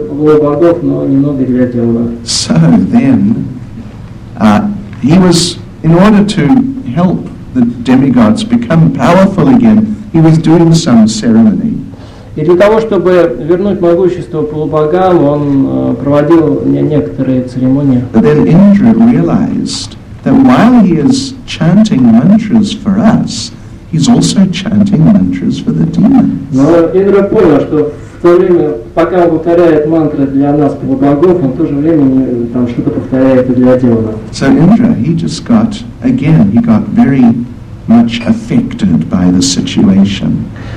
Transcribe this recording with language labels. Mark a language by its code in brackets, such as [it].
[en] So then, he was, in order to help the demigods become powerful again, he was doing some ceremony. [ru] И для того, чтобы вернуть могущество полубогам, он проводил некоторые церемонии. [en] But then Indra realized that while he is chanting mantras for us, he's also chanting mantras for the demons. [ru] Но Индра понял, что в то время, пока он повторяет мантры для нас, полубогов, он в то же время там что-то повторяет и для демонов. [en] So Indra, he got very much affected by the situation.